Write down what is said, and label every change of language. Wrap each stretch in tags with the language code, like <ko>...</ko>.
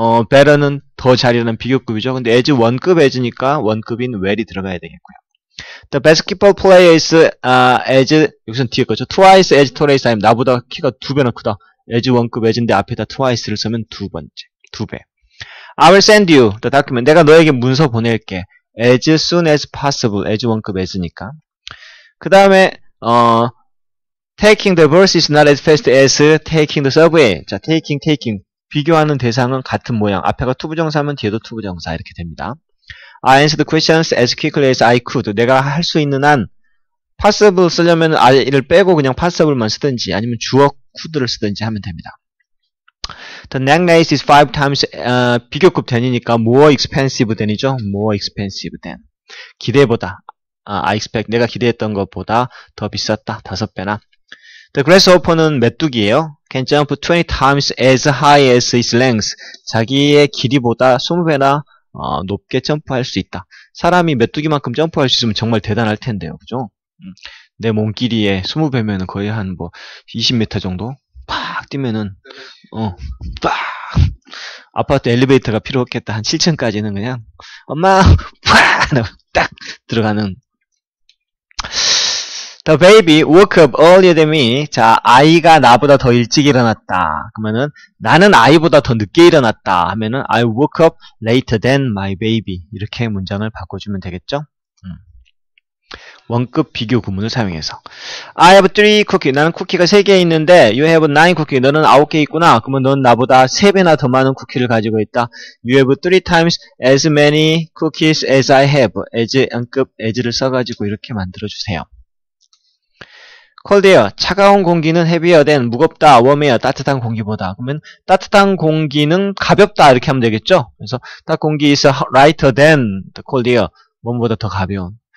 <ko>better는 더 잘이라는 비교급이죠. 근데 as 원급 as니까 원급인 well이 들어가야 되겠고요.</ko> <en>The basketball player is as</en> <ko>여기서 뒤에 거죠.</ko> <en>twice as tall as I am.</en> <ko>나보다 키가 두 배나 크다. as 원급 as인데 앞에다 twice를 쓰면 두 번째. 두 배.</ko> <en>I will send you the document.</en> <ko>내가 너에게 문서 보낼게.</ko> <en>as soon as possible. as 원급 as니까.</en> <ko>그 다음에</ko> <en>taking the bus is not as fast as taking the subway. 자, taking.</en> <ko>비교하는 대상은 같은 모양. 앞에가 to 부정사면 뒤에도 to 부정사 이렇게 됩니다.</ko> <en>I answered questions as quickly as I could.</en> <ko>내가 할수 있는 한 possible 쓰려면 I를 빼고 그냥 possible만 쓰든지 아니면 주어 could를 쓰든지 하면 됩니다.</ko> <en>The necklace is five times 비교급 than이니까 more expensive than이죠. More expensive than.</en> <ko>기대보다.</ko> <en>I expect</en> <ko>내가 기대했던 것보다 더 비쌌다. 다섯 배나.</ko> <en>The grasshopper는</en> <ko>메뚜기예요.</ko> <en>Can jump 20 times as high as its length.</en> <ko>자기의 길이보다 20배나 높게 점프할 수 있다. 사람이 메뚜기만큼 점프할 수 있으면 정말 대단할 텐데요. 그죠? 내몸 길이의 20배면 거의 한뭐 20m 정도 팍 뛰면은 팍 아파트 엘리베이터가 필요 없겠다. 한 7층까지는 그냥 엄마 팍 딱 들어가는.</ko> <en>The baby woke up earlier than me.</en> <ko>자, 아이가 나보다 더 일찍 일어났다. 그러면은 나는 아이보다 더 늦게 일어났다. 하면은</ko> <en>I woke up later than my baby.</en> <ko>이렇게 문장을 바꿔주면 되겠죠? 원급 비교 구문을 사용해서.</ko> <en>I have three cookies.</en> <ko>나는 쿠키가 3개 있는데,</ko> <en>you have nine cookies.</en> <ko>너는 9개 있구나. 그러면 넌 나보다 3배나 더 많은 쿠키를 가지고 있다.</ko> <en>You have three times as many cookies as I have.</en> <ko>as 원급 as를 써가지고 이렇게 만들어주세요. Cold air. 차가운 공기는</ko> <en>heavier than</en> <ko>무겁다. warmer. 따뜻한 공기보다. 그러면 따뜻한 공기는 가볍다. 이렇게 하면 되겠죠? 그래서 따뜻한 공기</ko> <en>is lighter than the cold air.</en> <ko>몸보다 더 가벼운.</ko>